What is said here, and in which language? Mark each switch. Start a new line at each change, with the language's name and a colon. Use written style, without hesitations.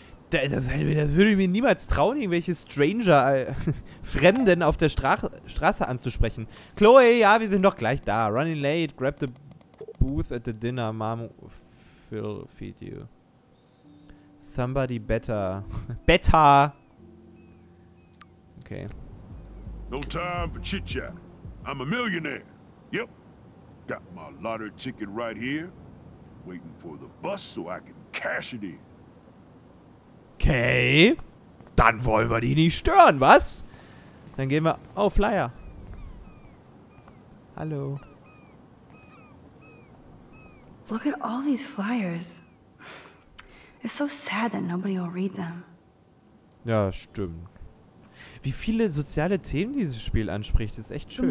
German: Das würde ich mir niemals trauen, irgendwelche Stranger, Fremden auf der Straße anzusprechen. Chloe, ja, wir sind doch gleich da.
English: Running late, grab the booth at the dinner. Mom, Phil, feed you. Somebody better. Better! Okay. No time for chit-chat. I'm a millionaire. Yep. Got my lottery ticket right here. Waiting for the bus so I can cash it in.
German: Okay. Dann wollen wir die nicht stören, was? Dann gehen wir... Oh, Flyer. Hallo.
English: Look at all these flyers. It's so sad that nobody will read them.
German: Ja, stimmt. Wie viele soziale Themen dieses Spiel anspricht, ist echt schön.